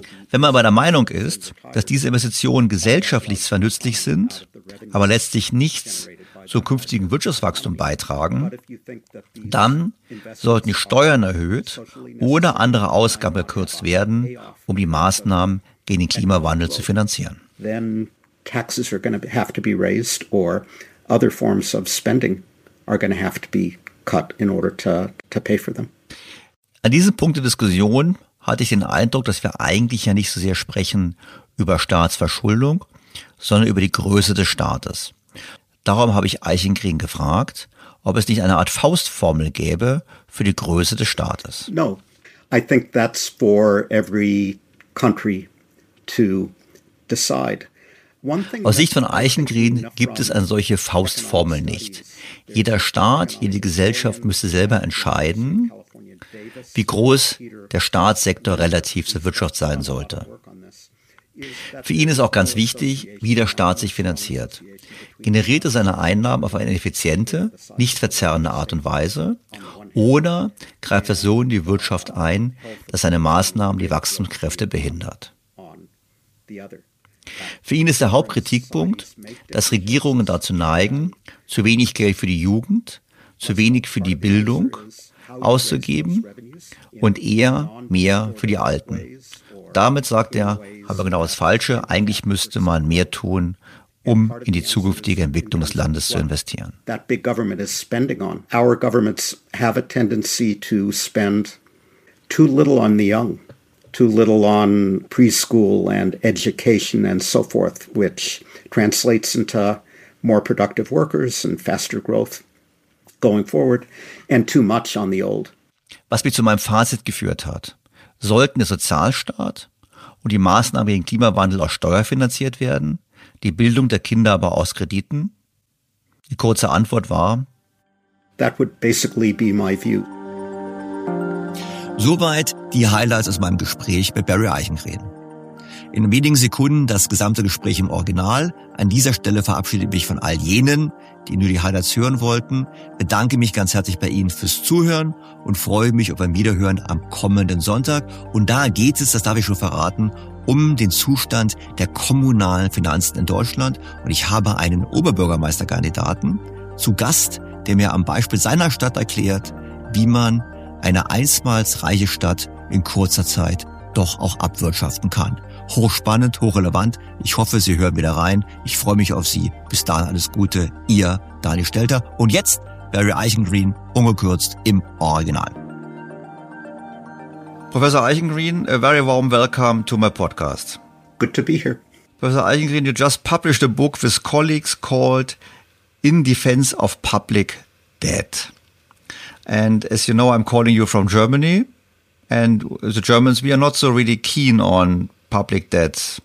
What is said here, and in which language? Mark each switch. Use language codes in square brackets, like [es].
[de] Wenn man aber der Meinung ist, dass diese Investitionen gesellschaftlich zwar nützlich sind, aber letztlich nichts zum künftigen Wirtschaftswachstum beitragen, dann sollten die Steuern erhöht oder andere Ausgaben gekürzt werden, um die Maßnahmen gegen den Klimawandel zu finanzieren. [en] Then taxes are going to have to be raised or other forms of spending are going to have to be cut in order to pay for them. [de] An diesem Punkt der Diskussion hatte ich den Eindruck, dass wir eigentlich ja nicht so sehr sprechen über Staatsverschuldung, sondern über die Größe des Staates. Darum habe ich Eichengreen gefragt, ob es nicht eine Art Faustformel gäbe für die Größe des Staates. [en] No, I think that's for every country to decide. [de] Aus Sicht von Eichengreen gibt es eine solche Faustformel nicht. Jeder Staat, jede Gesellschaft müsste selber entscheiden, wie groß der Staatssektor relativ zur Wirtschaft sein sollte. Für ihn ist auch ganz wichtig, wie der Staat sich finanziert. Generiert er seine Einnahmen auf eine effiziente, nicht verzerrende Art und Weise oder greift er so in die Wirtschaft ein, dass seine Maßnahmen die Wachstumskräfte behindert? Für ihn ist der Hauptkritikpunkt, dass Regierungen dazu neigen, zu wenig Geld für die Jugend, zu wenig für die Bildung auszugeben und eher mehr für die Alten. Damit, sagt er, haben wir genau das Falsche. Eigentlich müsste man mehr tun, um in die zukünftige Entwicklung des Landes zu investieren. [en] That big government is spending on. Our governments have a tendency to spend too little on the young, too little on preschool and education and so forth, which translates into more productive workers and faster growth. going forward and too much on the old. [de] Was mich zu meinem Fazit geführt hat: Sollten der Sozialstaat und die Maßnahmen gegen Klimawandel aus Steuern finanziert werden, die Bildung der Kinder aber aus Krediten? Die kurze Antwort war: [en] That would basically be my view. [de] Soweit die Highlights aus meinem Gespräch mit Barry Eichengreen. In wenigen Sekunden das gesamte Gespräch im Original. An dieser Stelle verabschiede ich mich von all jenen, die nur die Highlights hören wollten, bedanke mich ganz herzlich bei Ihnen fürs Zuhören und freue mich auf ein Wiederhören am kommenden Sonntag. Und da geht es, das darf ich schon verraten, um den Zustand der kommunalen Finanzen in Deutschland. Und ich habe einen Oberbürgermeisterkandidaten zu Gast, der mir am Beispiel seiner Stadt erklärt, wie man eine einstmals reiche Stadt in kurzer Zeit doch auch abwirtschaften kann. Hochspannend, hochrelevant. Ich hoffe, Sie hören wieder rein. Ich freue mich auf Sie. Bis dahin alles Gute. Ihr Daniel Stelter. Und jetzt Barry Eichengreen, ungekürzt im Original. [en] Professor Eichengreen, a very warm welcome to my podcast. Good to be here. Professor Eichengreen, you just published a book with colleagues called In Defense of Public Debt. And as you know, I'm calling you from Germany. And the Germans, we are not so really keen on public debt.